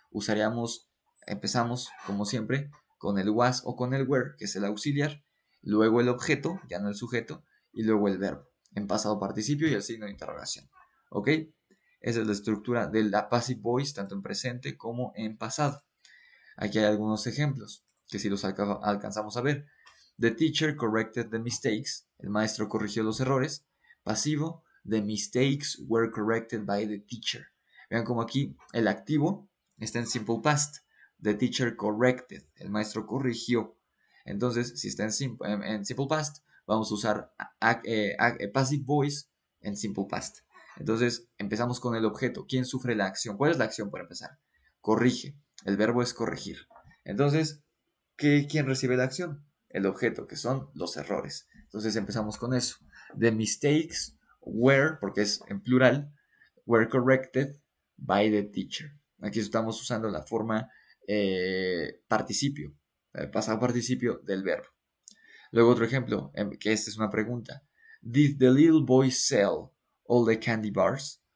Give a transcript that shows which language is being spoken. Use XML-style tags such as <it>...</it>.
<es>usaríamos, empezamos como siempre con el was o con el were, que es el auxiliar, luego el objeto, ya no el sujeto, y luego el verbo, en pasado participio y el signo de interrogación. ¿Ok? Esa es la estructura del passive voice, tanto en presente como en pasado. Aquí hay algunos ejemplos, que si los alcanzamos a ver.</es> <en>The teacher corrected the mistakes.</en> <es>El maestro corrigió los errores.</es> <en>Pasivo, the mistakes were corrected by the teacher.</en> <es>Vean como aquí el activo está en simple past.</es> <en>The teacher corrected.</en> <es>El maestro corrigió. Entonces, si está en simple past, vamos a usar passive voice en simple past. Entonces, empezamos con el objeto. ¿Quién sufre la acción? ¿Cuál es la acción para empezar? Corrige. El verbo es corregir. Entonces, ¿quién recibe la acción? El objeto, que son los errores. Entonces, empezamos con eso.</es> <en>The mistakes were,</en> <es>porque es en plural,</es> <en>were corrected by the teacher.</en> <es>Aquí estamos usando la forma participio, el pasado participio del verbo. Luego, otro ejemplo, que esta es una pregunta.</es> <en>Did the little boy sell all the candy bars?</en>